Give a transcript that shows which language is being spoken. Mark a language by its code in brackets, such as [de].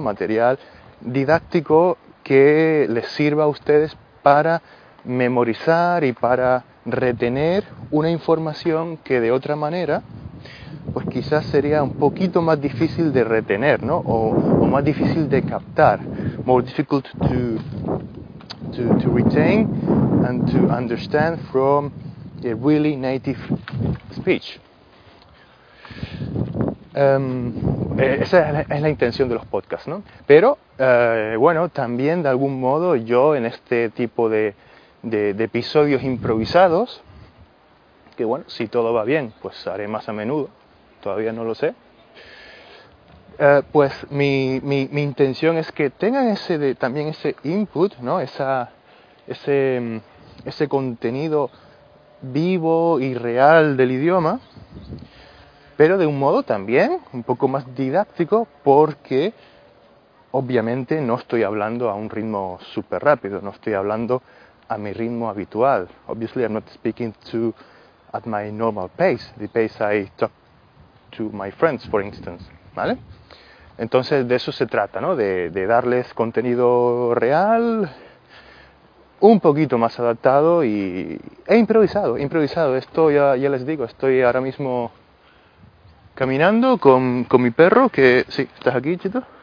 [es] Material didáctico que les sirva a ustedes para memorizar y para retener una información que de otra manera pues quizás sería un poquito más difícil de retener, ¿no? O más difícil de captar. [en] More difficult to retain and to understand from a really native speech. [es] Esa es la intención de los podcasts, ¿no? Pero, bueno, también de algún modo yo en este tipo de episodios improvisados, que bueno, si todo va bien, pues haré más a menudo, todavía no lo sé, pues mi intención es que tengan también ese input, ¿no? Ese contenido vivo y real del idioma, pero de un modo también un poco más didáctico, porque obviamente no estoy hablando a un ritmo súper rápido, no estoy hablando a mi ritmo habitual. [en] Obviously I'm not speaking at my normal pace, the pace I talk to my friends, for instance, [es] ¿vale? Entonces de eso se trata, ¿no? De darles contenido real, un poquito más adaptado e improvisado. Esto ya les digo, estoy ahora mismo caminando con mi perro, que sí, estás aquí, chito.